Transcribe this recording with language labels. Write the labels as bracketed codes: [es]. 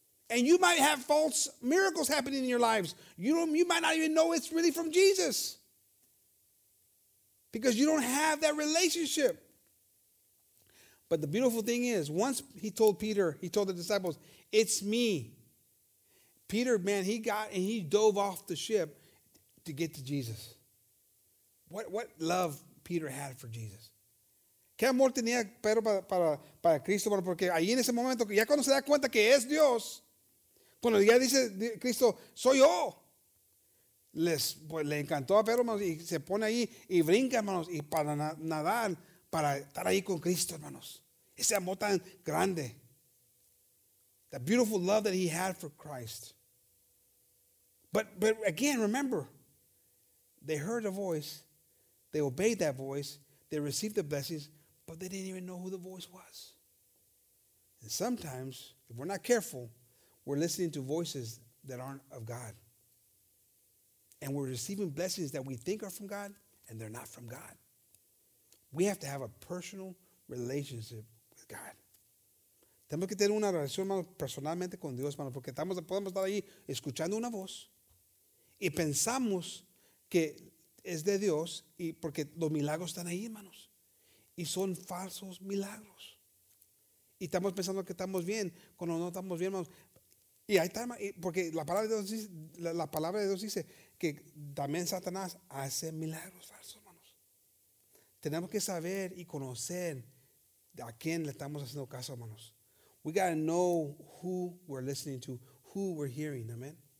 [en] And you might have false miracles happening in your lives. You might not even know it's really from Jesus, because you don't have that relationship. But the beautiful thing is, once he told the disciples, it's me. Peter, man, he got and he dove off the ship to get to Jesus. What love Peter had for Jesus. [es] Qué amor tenía Pedro para Cristo, porque ahí en ese momento, ya cuando se da cuenta que es Dios, cuando ya dice Cristo, soy yo, le encantó a Pedro, hermanos, y se pone ahí y brinca, hermanos, y para nadar, para estar ahí con Cristo, hermanos. Ese amor tan grande. [en] The beautiful love that he had for Christ. But again, remember, they heard a voice, they obeyed that voice, they received the blessings, but they didn't even know who the voice was. And sometimes, if we're not careful, we're listening to voices that aren't of God. And we're receiving blessings that we think are from God, and they're not from God. We have to have a personal relationship with God. [es] Tenemos que tener una relación personalmente con Dios, hermano, porque podemos estar ahí escuchando una voz y pensamos que es de Dios, y porque los milagros están ahí, hermanos. Y son falsos milagros. Y estamos pensando que estamos bien cuando no estamos bien, hermanos. Y ahí está, porque la palabra de Dios dice que también Satanás hace milagros falsos, hermanos. Tenemos que saber y conocer a quién le estamos haciendo caso, hermanos. [en] We got to know who we're listening to, who we're hearing, amen?